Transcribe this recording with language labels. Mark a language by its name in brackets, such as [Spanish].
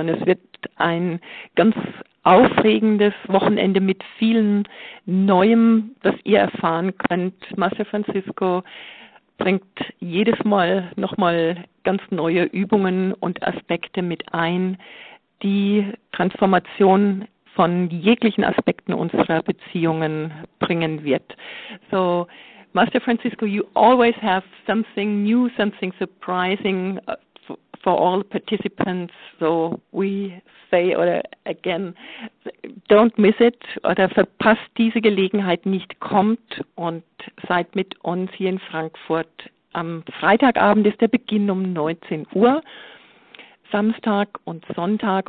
[German] Und es wird ein ganz aufregendes Wochenende mit vielen Neuem, das ihr erfahren könnt. Master Francisco bringt jedes Mal nochmal ganz neue Übungen und Aspekte mit ein, die Transformation von jeglichen Aspekten unserer Beziehungen bringen wird. [English] So, Master Francisco, you always have something new, something surprising for all participants. So we say oder again, don't miss it [German] oder verpasst diese Gelegenheit nicht. Kommt und seid mit uns hier in Frankfurt. Am Freitagabend ist der Beginn um 19 Uhr, Samstag und Sonntag.